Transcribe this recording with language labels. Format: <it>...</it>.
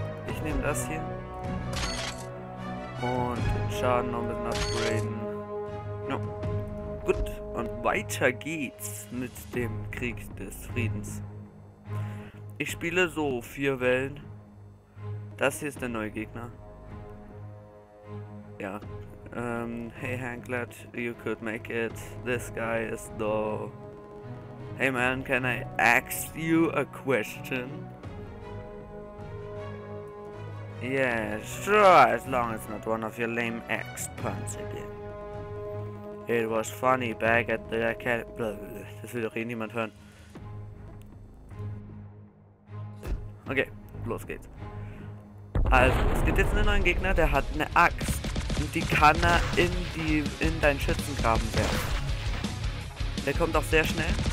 <de>Ich nehme das hier und den Schaden noch ein bisschen upgraden. Ja. Gut, und weiter geht's mit dem Krieg des Friedens. Ich spiele so vier Wellen. Das hier ist der neue Gegner. Ja.</de> <en>Hey Hank, glad you could make it. This guy is the. Hey man, can I ask you a question? Yeah, sure, as long as not one of your lame ex puns again. It was funny back at the academy. Blablabla.</en> <de>Das will doch eh niemand hören. Okay, los geht's. Also, es gibt jetzt einen neuen Gegner, der hat eine Axt. Und die kann er in deinen Schützengraben werfen. Der kommt auch sehr schnell.</de>